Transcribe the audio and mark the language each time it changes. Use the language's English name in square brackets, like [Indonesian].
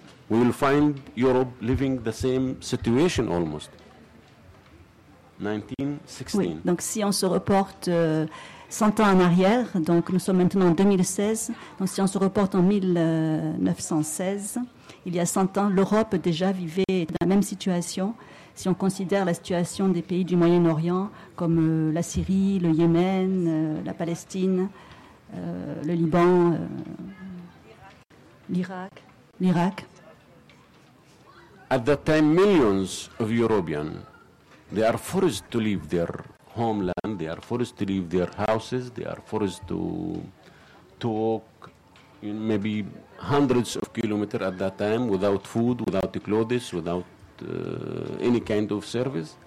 [English] We will find Europe living the same situation almost. 1916. [French] Oui, donc si on se reporte 100 ans en arrière, donc nous sommes maintenant en 2016, donc si on se reporte en 1916, il y a 100 ans, l'Europe déjà vivait dans la même situation, si on considère la situation des pays du Moyen-Orient, comme la Syrie, le Yémen, la Palestine, le Liban, l'Irak. [English] At that time, millions of Europeans, they are forced to leave their homeland, they are forced to leave their houses, they are forced to walk in maybe hundreds of kilometers at that time without food, without the clothes, without any kind of service.